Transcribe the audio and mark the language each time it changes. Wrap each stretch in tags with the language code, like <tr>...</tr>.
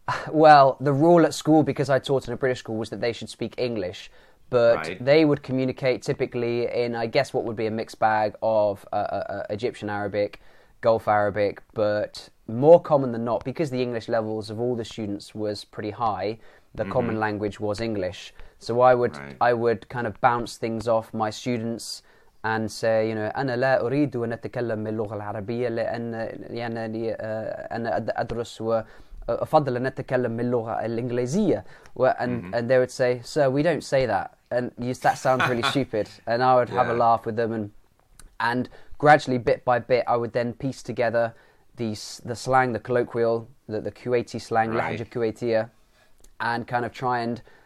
<en>Well, the rule at school, because I taught in a British school, was that they should speak English, but Right. they would communicate typically in, I guess, what would be a mixed bag of Egyptian Arabic, Gulf Arabic, but more common than not, because the English levels of all the students was pretty high, the common language was English. So Right. I would kind of bounce things off my students and say,</en> <ar>أنا لا أريد أن أتكلم اللغة العربية لأن يعني أنا أدرس وأفضل أن أتكلم اللغة الإنجليزية.</ar> <en>And they would say, "Sir, we don't say that." And that sounds really stupid. And I would have a laugh with them. And gradually, bit by bit, I would then piece together the slang, the colloquial, the Kuwaiti slang, lahja Kuwaitia, and kind of try and.</en>